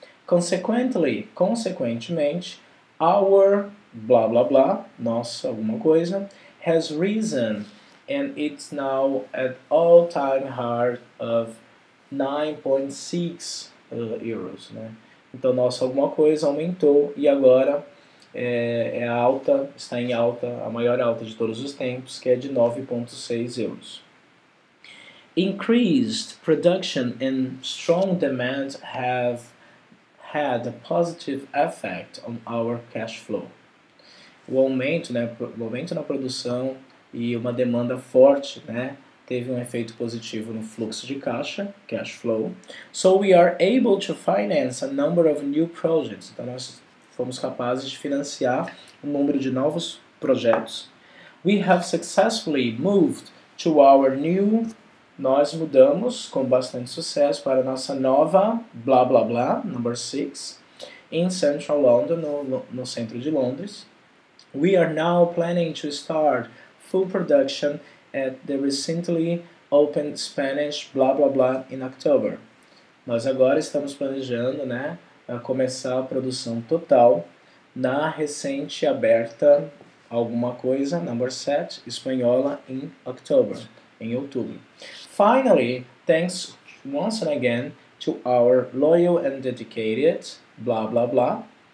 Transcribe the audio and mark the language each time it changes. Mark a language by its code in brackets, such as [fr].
[en] Consequently, [pt] consequentemente, [en] our, blá, blá, blá, [pt] nossa, alguma coisa, [en] has risen and it's now at all time high of 9.6 euros. [pt] Né? Então, nossa, alguma coisa aumentou e agora está em alta, a maior alta de todos os tempos, que é de 9.6 euros. [en] Increased production and strong demand have had a positive effect on our cash flow. [pt] O aumento, né, o aumento na produção e uma demanda forte, né, teve um efeito positivo no fluxo de caixa, [en] cash flow. So we are able to finance a number of new projects. [pt] Então nós fomos capazes de financiar um número de novos projetos. [en] We have successfully moved to our new... [pt] Nós mudamos com bastante sucesso para a nossa nova, blá, blá, blá, [en] number 6, in central London, [pt] no centro de Londres. [en] We are now planning to start full production at the recently opened Spanish blah blah blah in October. [pt] Nós agora estamos planejando, né, a começar a produção total na recente aberta alguma coisa, [en] number 7, [pt] espanhola, [en] in October, [pt] em outubro. [en] Finally, thanks once and again to our loyal and dedicated blah blah blah.